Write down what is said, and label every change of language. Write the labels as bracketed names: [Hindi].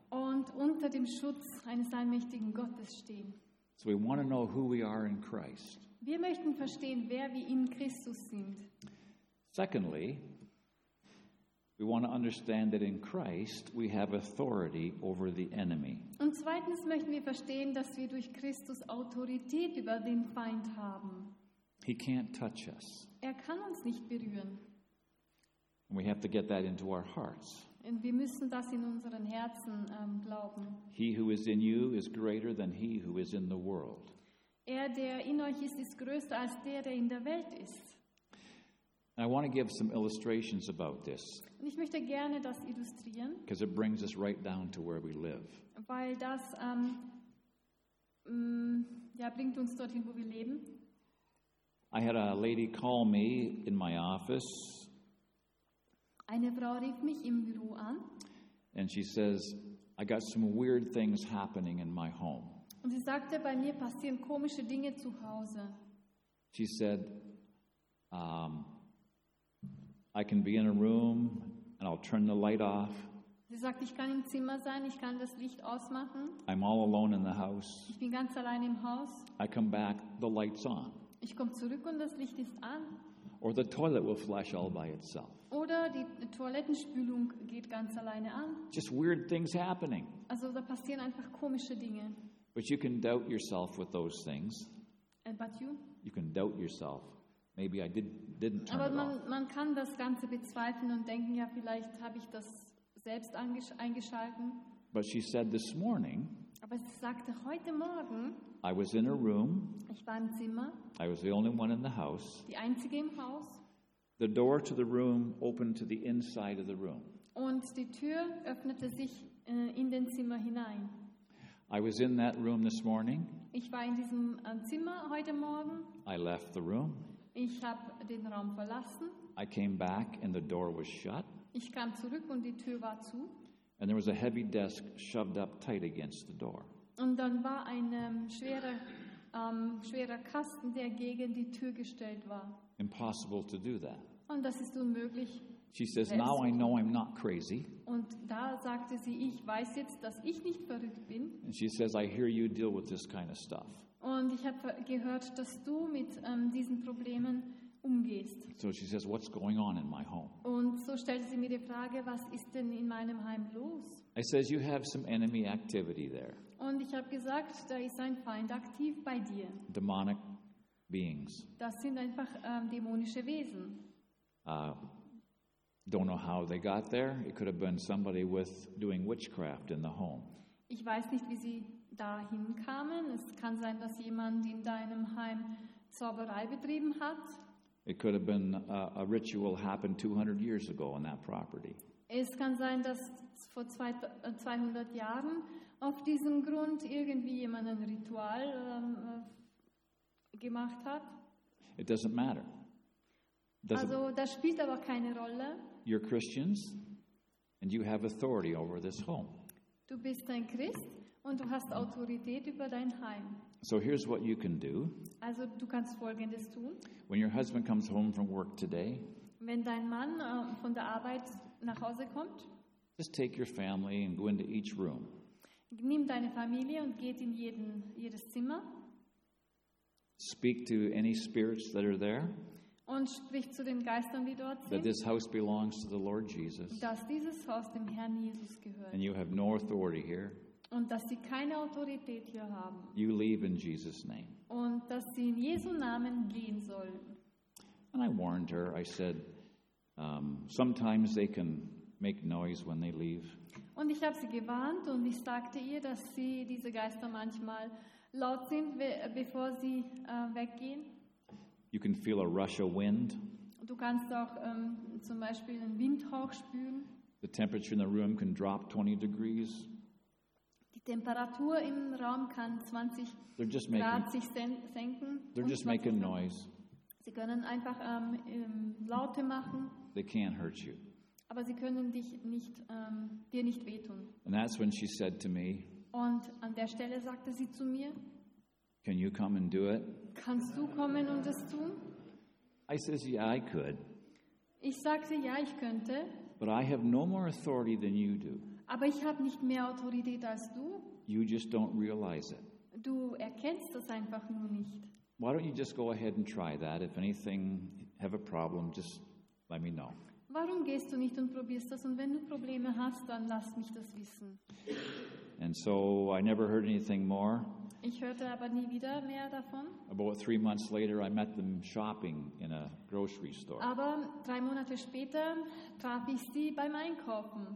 [German] Und unter dem Schutz eines allmächtigen Gottes stehen. [English] So we want to know who we are in Christ. [German] Wir möchten verstehen, wer wir in Christus sind. [English] Secondly, we want to understand that in Christ we have authority over the enemy. [German] Und zweitens möchten wir verstehen, dass wir durch Christus Autorität über den Feind haben. [English] He can't touch us. [German] Er kann uns nicht berühren. [English] And we have to get that into our hearts. [German] Und wir müssen das in unseren Herzen glauben. [English] He who is in you is greater than he who is in the world. [German] Er, der in euch ist, ist größer als der in der Welt ist. [English] I want to give some illustrations about this. [German] Und ich möchte gerne das illustrieren. [English] Because it brings us right down to where we live. [German] Weil das bringt uns dorthin, wo wir leben. [English] I had a lady call me in my office. [German] Eine Frau rief mich im Büro an. [English] And she says, I got some weird things happening in my home. [German] Und sie sagte, bei mir passieren komische Dinge zu Hause. [English] She said, I can be in a room and I'll turn the light off. [German] Sie sagte, ich kann im Zimmer sein, ich kann das Licht ausmachen. [English] I'm all alone in the house. [German] Ich bin ganz allein im Haus. [English] I come back, the light's on. [German] Ich komme zurück und das Licht ist an. [English] Or the toilet will flush all by itself. [German] Oder die Toilettenspülung geht ganz alleine an. [English] Just weird things happening. [German] Also da passieren einfach komische Dinge. [English] But you can doubt yourself with those things. But you? You can doubt yourself. Maybe I didn't turn [German] Aber [English] it [German] man, [English] off. [German] Man kann das Ganze bezweifeln und denken, ja, vielleicht habe ich das selbst eingeschalten. [English] But she said this morning, [German] Aber sie sagte heute Morgen, [English] I was in a room. [German] Ich war im Zimmer. [English] I was the only one in the house. [German] Die einzige im Haus. [English] The door to the room opened to the inside of the room. [German] Und die Tür öffnete sich in den Zimmer hinein. [English] I was in that room this morning. [German] Ich war in diesem Zimmer heute Morgen. [English] I left the room. [German] Ich habe den Raum verlassen. [English] I came back and the door was shut. [German] Ich kam zurück und die Tür war zu. [English] And there was a heavy desk shoved up tight against the door. [German] Und dann war ein schwerer Kasten, der gegen die Tür gestellt war. [English] Impossible to do that. [German] Und das ist unmöglich. [English] She says, now I know I'm not crazy. [German] Und da sagte sie, ich weiß jetzt, dass ich nicht verrückt bin. [English] And she says, I hear you deal with this kind of stuff. [German] Und ich habe gehört, dass du mit diesen Problemen umgehst. [English] So she says, what's going on in my home? [German] Und so stellte sie mir die Frage, was ist denn in meinem Heim los? [English] I says, you have some enemy activity there. [German] Und ich habe gesagt, da ist ein Feind aktiv bei dir. [English] Demonic beings. [German] Das sind einfach dämonische Wesen. [English] Don't know how they got there. It could have been somebody with doing witchcraft in the home. [German] Ich weiß nicht, wie sie dahin kamen. Es kann sein, dass jemand in deinem Heim Zauberei betrieben hat. [English] It could have been a ritual happened 200 years ago on that property. [German] Es kann sein, dass vor 200 Jahren auf diesem Grund irgendwie jemand ein Ritual gemacht hat. [English] It doesn't matter. [German] Also, das spielt aber keine Rolle. [English] You're Christians and you have authority over this home. [German] Du bist ein Christ und du hast Autorität über dein Heim. [English] So here's what you can do. [German] Also, du kannst Folgendes tun. [English] When your husband comes home from work today, [German] wenn dein Mann von der Arbeit nach Hause kommt, [English] just take your family and go into each room. [German] Nimm deine Familie und geht in jedes Zimmer. [English] Speak to any spirits that are there. [German] Und sprich zu den Geistern, die dort sind. [English] That this house belongs to the Lord Jesus. [German] Dass dieses Haus dem Herrn Jesus gehört. [English] And you have no authority here. [German] Und dass sie keine Autorität hier haben. [English] You leave in Jesus' name. [German] Und dass sie in Jesu Namen gehen sollen. [English] And I warned her. I said, sometimes they can make noise when they leave. [German] Und ich habe sie gewarnt und ich sagte ihr, dass sie diese Geister manchmal laut sind, bevor sie weggehen. [English] You can feel a rush of wind. [German] Du kannst auch zum Beispiel einen Windhauch spüren. [English] The temperature in the room can drop 20 degrees. [German] Die Temperatur im Raum kann 20 Grad sich senken. [English] They're just making noise. [German] Sie können einfach Laute machen. [English] They can't hurt you. [German] Aber sie können dir nicht wehtun. [English] And that's when she said to me, [German] und an der Stelle sagte sie zu mir, [English] can you come and do it? [German] Kannst du kommen und das tun? [English] I says, yeah, I could. [German] Ich sagte, ja, ich könnte. [English] But I have no more authority than you do. [German] Aber ich habe nicht mehr Autorität als du. [English] You just don't realize it. [German] Du erkennst das einfach nur nicht. [English] Why don't you just go ahead and try that? If anything, have a problem, just let me know. [German] Warum gehst du nicht und probierst das? Und wenn du Probleme hast, dann lass mich das wissen. [English] And so I never heard anything more. [German] Ich hörte aber nie wieder mehr davon. [English] About 3 months later, I met them shopping in a grocery store. [German] Aber 3 Monate später traf ich sie beim Einkaufen.